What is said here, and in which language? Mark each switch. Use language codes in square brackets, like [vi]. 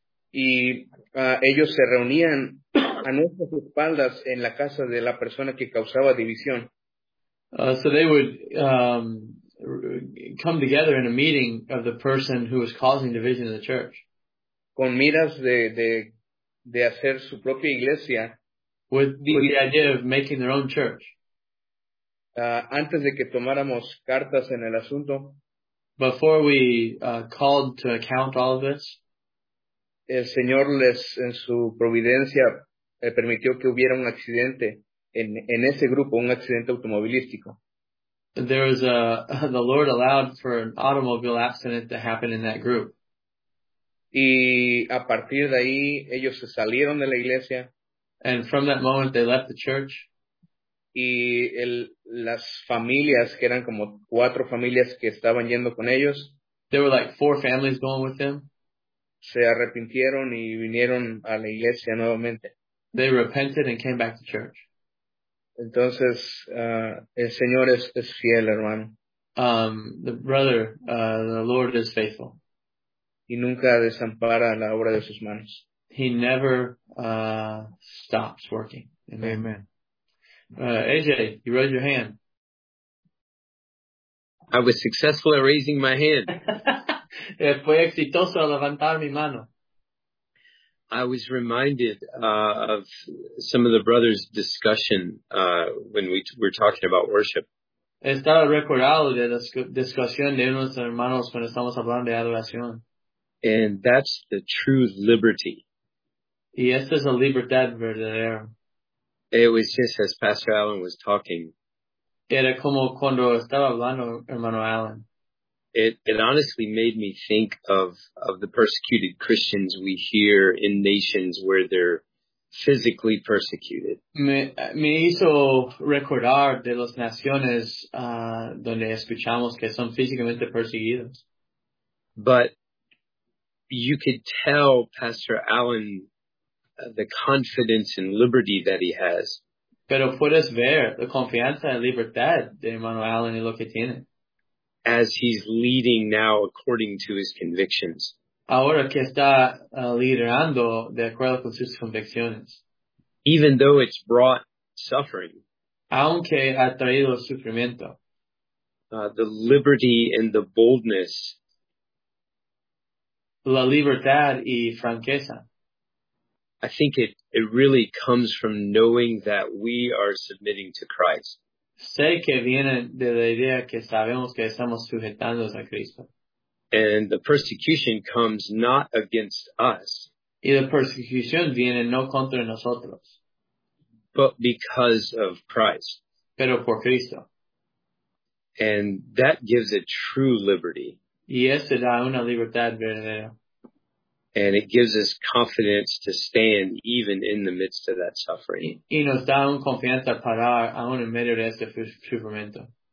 [es] Y ellos se reunían a nuestras espaldas en la casa de la persona que causaba división. [en] So they would come together in a meeting of the person who was causing division in the church. [es] Con miras de hacer su propia iglesia. [en] With the idea of making their own church. [es] Antes de que tomáramos cartas en el asunto. [en] Before we called to account all of this. [es] El Señor les, en su providencia, permitió que hubiera un accidente. En ese grupo, un accidente automovilístico. [en] There was the Lord allowed for an automobile accident to happen in that group. [es] Y a partir de ahí, ellos se salieron de la iglesia. [en] And from that moment, they left the church. [es] Y las familias, que eran como 4 familias que estaban yendo con ellos. [en] There were like 4 families going with them. [es] Se arrepintieron y vinieron a la iglesia nuevamente. [en] They repented and came back to church. [es] Entonces, el Señor es fiel, hermano. [en] The Lord is faithful. [es] Y nunca desampara la obra de sus manos. [en] He never stops working. Amen. Amen. AJ, you raised your hand. I was successful at raising my hand. [es] Fue exitoso levantar mi mano. [en] I was reminded of some of the brothers' discussion when we were talking about worship. [es] Estaba recordado de la discusión de unos hermanos cuando estamos hablando de adoración. [en] And that's the true liberty. [es] Y esta es la libertad verdadera. [en] It was just as Pastor Allen was talking. [es] Era como cuando estaba hablando hermano Allen. [en] It honestly made me think of the persecuted Christians we hear in nations where they're physically persecuted. [es] Me hizo recordar de las naciones donde escuchamos que son físicamente perseguidos. [en] But you could tell Pastor Allen the confidence and liberty that he has. [es] Pero puedes ver la confianza y libertad de hermano Allen y lo que tiene. [en] As he's leading now according to his convictions. [es] Ahora que está liderando de acuerdo con sus convicciones. [en] Even though it's brought suffering. [es] aunque ha traído sufrimiento. [en] The liberty and the boldness. [es] La libertad y franqueza. [en] I think it really comes from knowing that we are submitting to Christ. [es] Sé que viene de la idea que sabemos que estamos sujetándonos a Cristo. [en] And the persecution comes not against us. [es] Y la persecución viene no contra nosotros. [en] But because of Christ. [es] Pero por Cristo. [en] And that gives a true liberty. [es] Y eso da una libertad verdadera. [en] And it gives us confidence to stand even in the midst of that suffering. [es] Y nos da un confianza para aún en medio de este sufrimiento.